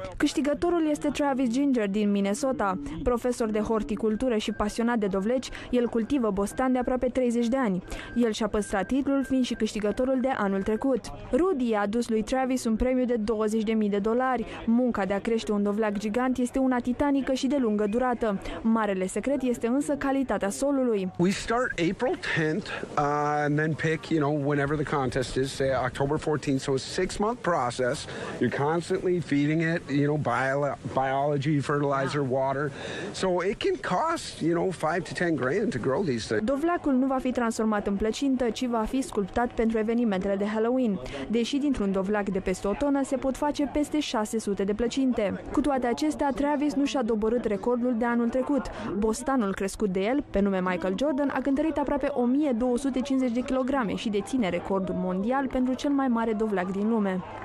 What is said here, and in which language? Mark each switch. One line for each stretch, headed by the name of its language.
Romanian: Câștigătorul este Travis Ginger din Minnesota. Profesor de horticultură și pasionat de dovleci, el cultivă bostan de aproape 30 de ani. El și-a păstrat titlul fiind și câștigătorul de anul trecut. Rudy a adus lui Travis un premiu de $20,000. Munca de a crește un dovleac gigant este una titanică și de lungă durată. Marele secret este însă calitatea solului.
English: We start April 10th and then pick, you know, whenever the contest is, say October 14th, so a 6-month process. You're constantly feeding it, you know, biology, fertilizer, water. So it can cost, you know, $5,000 to $10,000 to grow these things.
Romanian: Dovleacul nu va fi transformat în plăcintă, ci va fi sculptat pentru evenimentele de Halloween. Deși dintr-un dovleac de peste o tonă se pot face peste 600 de plăcinte. Cu toate acestea, Travis nu și-a dobărât recordul de anul trecut. Bostanul crescut de el, pe nume Michael Jordan, a cântărit aproape 1250 de kilograme și deține recordul mondial pentru cel mai mare dovleac din lume.